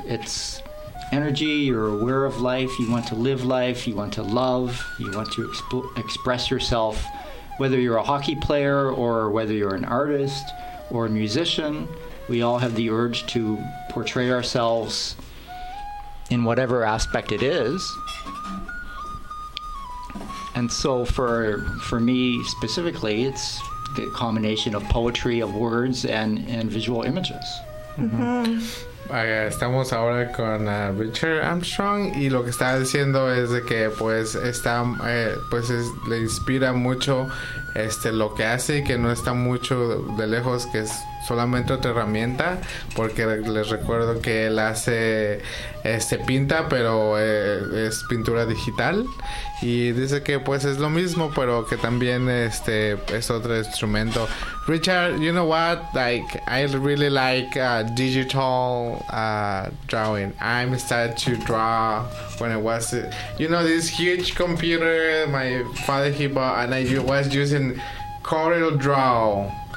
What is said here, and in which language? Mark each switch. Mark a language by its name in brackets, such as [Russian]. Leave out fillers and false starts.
[English] It's... energy, you're aware of life, you want to live life, you want to love, you want to express yourself, whether you're a hockey player or whether you're an artist or a musician, we all have the urge to portray ourselves in whatever aspect it is. And so for me specifically, it's the combination of poetry, of words, and visual images. Mm-hmm. Mm-hmm. [Spanish] Estamos ahora con Richard Armstrong y lo que está diciendo es de que pues está pues es, le inspira mucho lo que hace y que no está mucho de lejos, que es solamente otra herramienta, porque les recuerdo que él hace pinta, pero es pintura digital, y dice que pues es lo mismo, pero que también es otro instrumento. [English] Richard, you know what, like I really like digital drawing. I'm started to draw when it was, you know, this huge computer my father he bought, and I was using Corel Draw.